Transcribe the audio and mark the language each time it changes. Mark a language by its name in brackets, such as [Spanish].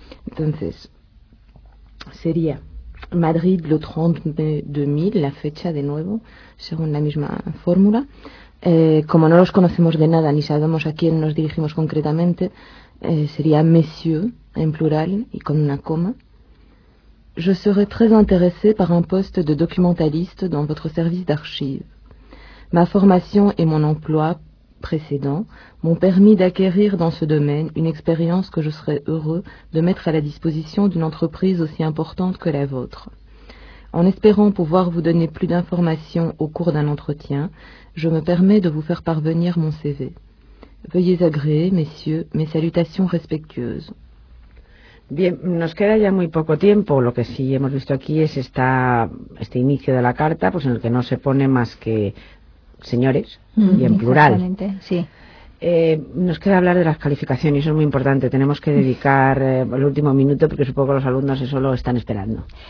[Spanish] Entonces, sería Madrid, le 30 de 2000, la fecha de nuevo, según la misma fórmula. Como no los conocemos de nada ni sabemos a quién nos dirigimos concretamente, sería monsieur en plural y con una coma. [French] Je serais très intéressé par un poste de documentaliste dans votre service d'archives. Ma formation et mon emploi précédent m'ont permis d'acquérir dans ce domaine une expérience que je serais heureux de mettre à la disposition d'une entreprise aussi importante que la vôtre. En espérant pouvoir vous donner plus d'informations au cours d'un entretien, je me permets de vous faire parvenir mon CV. Veuillez agréer, messieurs, mes salutations respectueuses. [Spanish] Bien, nos queda ya muy poco tiempo. Lo que sí hemos visto aquí es este inicio de la carta, pues en el que no se pone más que señores y en plural. Exactamente, sí. Nos queda hablar de las calificaciones, eso es muy importante. Tenemos que dedicar el último minuto porque supongo que los alumnos eso lo están esperando.